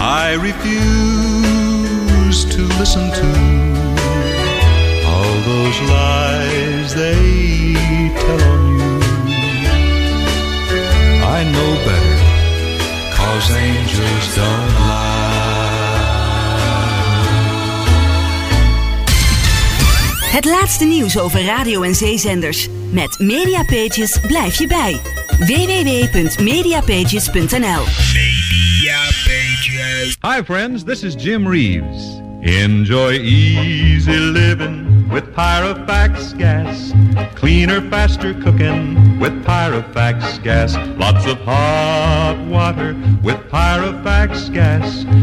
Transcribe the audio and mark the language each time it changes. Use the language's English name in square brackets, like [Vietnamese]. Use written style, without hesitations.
[English] I refuse to listen to all those lies they tell on you. I know better, 'cause angels don't lie. [Dutch] Het laatste nieuws over radio en zeezenders. Met Mediapages blijf je bij. www.mediapages.nl. Mediapages. [English] Hi friends, this is Jim Reeves. Enjoy easy living with Pyrofax gas. Cleaner, faster cooking with Pyrofax gas. Lots of hot water with Pyrofax gas.